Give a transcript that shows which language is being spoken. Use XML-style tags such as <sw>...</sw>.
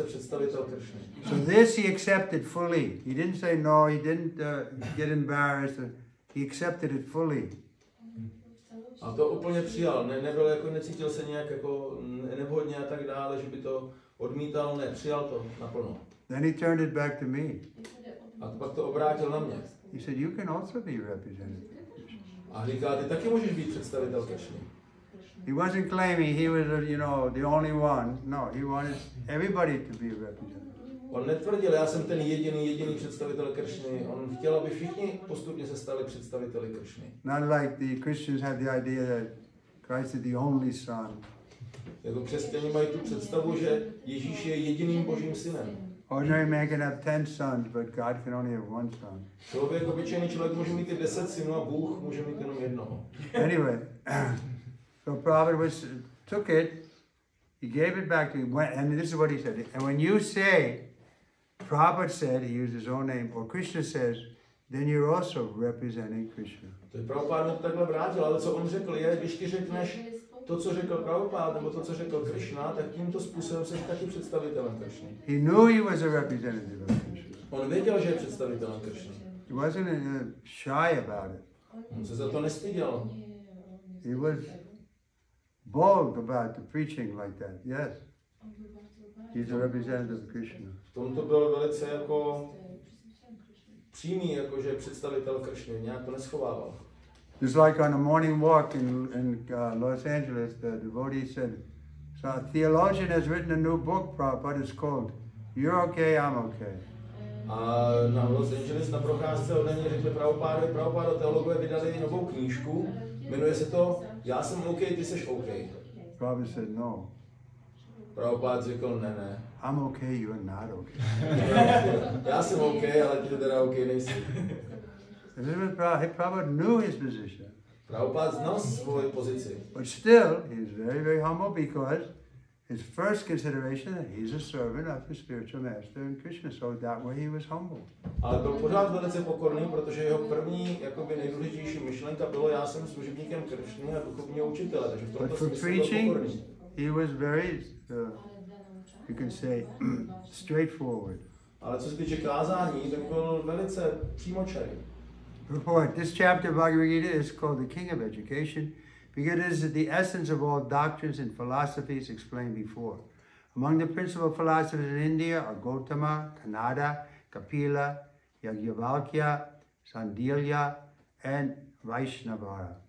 <en>So this he accepted fully. He didn't say no, he didn't get embarrassed. He accepted it fully.</en> <cs>A to úplně přijal. Nebyl jako, necítil se nějak jako nevhodně a tak dále, že by to odmítal, ne, přijal to naplno.</cs> <en>Then he turned it back to me.</en> <cs>A pak to obrátil na mě.</cs> <en>He said, you can also be represented.</en> <cs>A říká, ty taky můžeš být představitel Krishna.</cs> <en>He wasn't claiming he was, you know, the only one. No, he wanted everybody to be represented.</en> <cs>On netvrdil, já jsem ten jediný představitel Krishna. On chtěl, aby všichni postupně se stali představiteli Krishna.</cs> <en>Not like the Christians have the idea that Christ is the only son.</en> <cs>Jako křesťané mají tu představu, že Ježíš je jediným Božím synem.</cs> <en>Ordinary man can have 10 sons, but God can only have one son.</en> <cs>Člověk, obyčejný člověk může mít 10 synů a Bůh může mít jenom jednoho.</cs> <en>Anyway, so Prabhupada took it, he gave it back to him, and this is what he said. And when you say, Prabhupada said, he used his own name, or Krishna says, then you're also representing Krishna.</en> <cs>To je Prabhupád mu takhle vrátil, ale co on řekl je, když ty řekneš to, co řekl Prabhupád, nebo to, co řekl Krishna, tak tímto způsobem jsi taky představitelem Krishna.</cs> <en>He knew he was a representative of Krishna.</en> <cs>On věděl, že je představitelem Krishna.</cs> <en>He wasn't shy about it.</en> <cs>On se za to nestyděl.</cs> <en>He was bold about the preaching like that, yes. He's a representative of Krishna.</en> <cs>V tomto byl velice jako přímý, jakože představitel Krishna, nějak to neschovával.</cs> <en>It's like on a morning walk in Los Angeles, the devotee said, so a theologian has written a new book, Prabhupada, it's called, You're okay, I'm okay.</en> <cs>A na Los Angeles na procházce od něj řekli Prabhupáda, Prabhupáda, teologové vydali novou knížku, jmenuje se to, Já jsem okay, ty seš okay.</cs> <en>Prabhupáda said no.</en> <cs>Prabhupáda řekl ne, ne.</cs> <en>I'm okay, you're not okay.</en> <cs>Já jsem okay, ale ty teda okay nejsi.</cs> <en>Prabhupada knew his position.</en> <cs>Prabhupada znal svoji pozici.</cs> <en>But still, he is very, very humble because his first consideration that he's a servant of his spiritual master and Krishna, so that way he was humble.</en> <cs>Ale byl pořád velice pokorný, protože jeho první, jakoby nejdůležitější myšlenka bylo, já jsem služebníkem Krishny a duchovního učitele, takže v tomto smyslu byl pokorný.</cs> <en>He was very, you can say, straightforward.</en> <cs>Ale co se týče kázání, tak byl velice přímočarý.</cs> <en>Report. This chapter of Bhagavad Gita is called the King of Education because it is the essence of all doctrines and philosophies explained before. Among the principal philosophers in India are Gautama, Kanada, Kapila, Yajnavalkya, Sandilya, and Vaishnavara.</en>